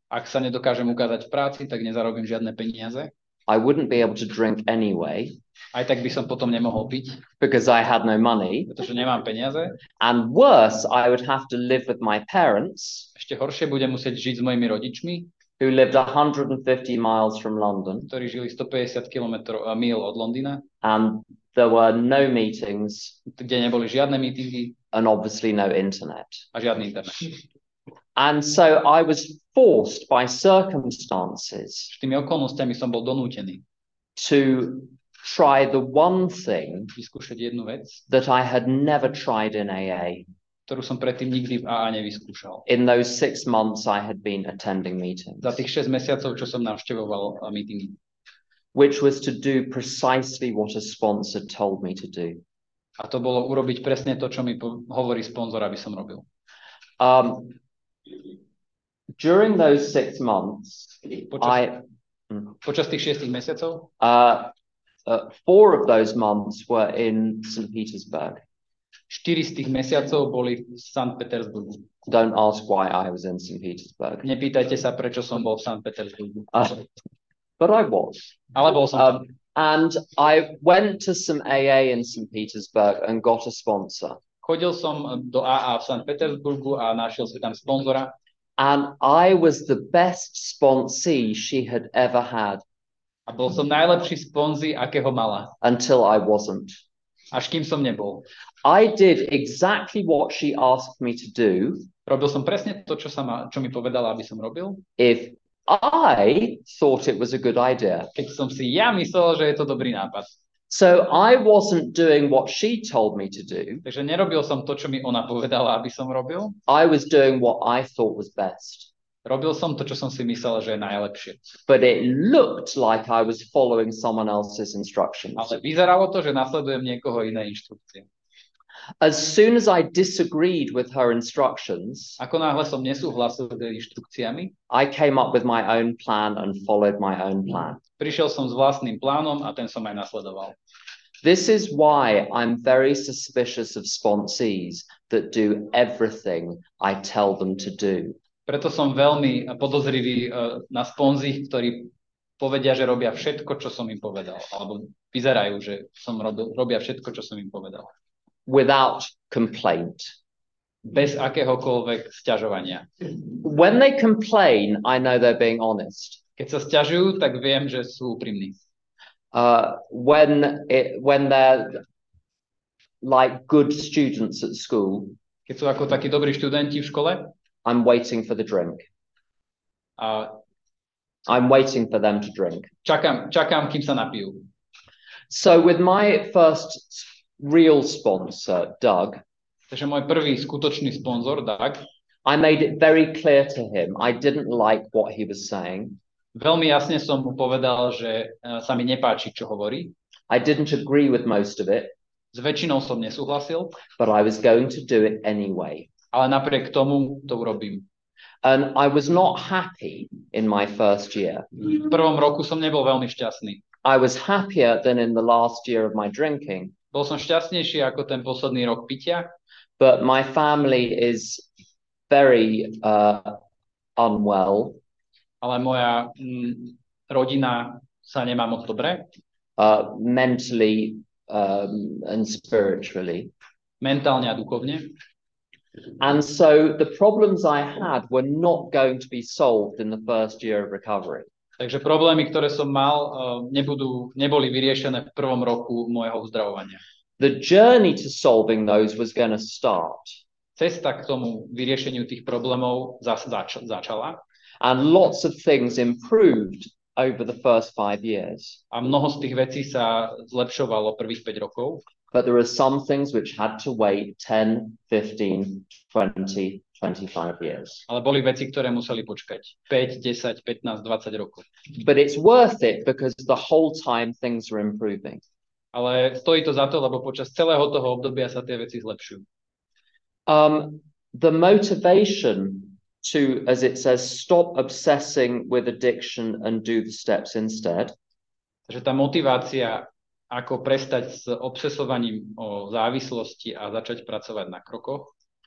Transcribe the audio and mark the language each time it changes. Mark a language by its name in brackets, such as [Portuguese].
[Slovak] Ak sa nedokážem ukázať v práci, tak nezarobím žiadne peniaze. [English] I wouldn't be able to drink anyway. [Slovak] Aj tak by som potom nemohol piť. [English] Because I had no money. [Slovak] Pretože nemám peniaze. [English] And worse, I would have to live with my parents. [Slovak] Ešte horšie, budem musieť žiť s mojimi rodičmi. [English] Who lived 150 miles from London. [Slovak] Ktorí žili 150 kilometrov a mil od Londýna. [English] And there were no meetings. [Slovak] Kde neboli žiadne meetingy. [English] And obviously no internet. [Slovak] A žiadny internet. [English] And so I was forced by circumstances [Slovak] tými okolnostiami som bol donútený [English] to try the one thing [Slovak] vyskúšať jednu vec [English] that I had never tried in AA, [Slovak] ktorú som predtým nikdy v AA nevyskúšal. [English] In those 6 months I had been attending meetings. [Slovak] Za tých 6 mesiacov, čo som navštevoval meetingy. [English] Which was to do precisely what a sponsor told me to do. [Slovak] A to bolo urobiť presne to, čo mi hovorí sponzor, aby som robil. [English] During those 6 months, [Slovak] počas tých 6 mesiacov, [English] 4 of those months were in St. Petersburg. [Slovak] 4 z tých mesiacov boli v St. Petersburgu. [English] Don't ask why I was in St. Petersburg. [Slovak] Nepýtajte sa, prečo som bol v St. Petersburgu. [English] But I was. [Slovak] Ale bol som. [English] And I went to some AA in St. Petersburg and got a sponsor. [Slovak] Chodil som do AA v St. Petersburgu a našiel si tam sponzora. [English] And I was the best sponsee she had ever had. [Slovak] A bol som najlepší sponzi, akého mala. [English] Until I wasn't. [Slovak] Až kým som nebol. [English] I did exactly what she asked me to do. [Slovak] Robil som presne to, čo mi povedala, aby som robil. [English] If I thought it was a good idea. [Slovak] Keď som si ja myslel, že je to dobrý nápad. [English] So I wasn't doing what she told me to do. [Slovak] Takže nerobil som to, čo mi ona povedala, aby som robil. [English] I was doing what I thought was best. [Slovak] Robil som to, čo som si myslel, že je najlepšie. [English] But it looked like I was following someone else's instructions. [Slovak] Ale vyzeralo to, že nasledujem niekoho iné inštrukcie. [English] As soon as I disagreed with her instructions, [Slovak] ako náhle som nesúhlasil s jej inštrukciami, [English] I came up with my own plan and followed my own plan. [Slovak] Prišiel som s vlastným plánom a ten som aj nasledoval. [English] This is why I'm very suspicious of sponsees that do everything I tell them to do. [Slovak] Preto som veľmi podozrivý na sponzí, ktorí povedia, že robia všetko, čo som im povedal, alebo vyzerajú, že som robia všetko, čo som im povedal. [English] Without complaint. [Slovak] Bez akéhokoľvek sťažovania. [English] When they complain, I know they're being honest. [Slovak] Keď sa sťažujú, tak viem, že sú úprimní. [English] When they're like good students at school. [Slovak] Keď sú ako takí dobrí študenti v škole. [English] I'm waiting for the drink. I'm waiting for them to drink. [Slovak] Čakám, kým sa napijú. [English] So with my first real sponsor, Doug, [Slovak] takže môj prvý skutočný sponzor, Doug, [English] I made it very clear to him. I didn't like what he was saying. [Slovak] Veľmi jasne som mu povedal, že sa mi nepáči, čo hovorí. [English] I didn't agree with most of it. [Slovak] S väčšinou som nesúhlasil. [English] But I was going to do it anyway. [Slovak] Ale napriek tomu to urobím. [English] And I was not happy in my first year. [Slovak] V prvom roku som nebol veľmi šťastný. [English] I was happier than in the last year of my drinking. [Slovak] Bol som šťastnejší ako ten posledný rok pitia. [English] But my family is very unwell. [Slovak] Ale moja rodina sa nemá moc dobre. [English] Mentally and spiritually. [Slovak] Mentálne a duchovne. [English] And so the problems I had were not going to be solved in the first year of recovery. [Slovak] Takže problémy, ktoré som mal, neboli vyriešené v prvom roku môjho uzdravovania. [English] The journey to solving those was going to start. [Slovak] Cesta k tomu vyriešeniu tých problémov začala. [English] And lots of things improved over the first 5 years. [Slovak] A mnoho z tých vecí sa zlepšovalo prvých 5 rokov. [English] But there are some things which had to wait 10, 15, 20, 25 years. [Slovak] Ale boli veci, ktoré museli počkať 5, 10, 15, 20 rokov. [English] But it's worth it because the whole time things are improving. [Slovak] Ale stojí to za to, lebo počas celého toho obdobia sa tie veci zlepšujú. [English] The motivation to, as it says, stop obsessing with addiction and do the steps instead. [Slovak] Takže tá motivácia, ako prestať s obsesovaním o závislosti a začať pracovať na krokoch.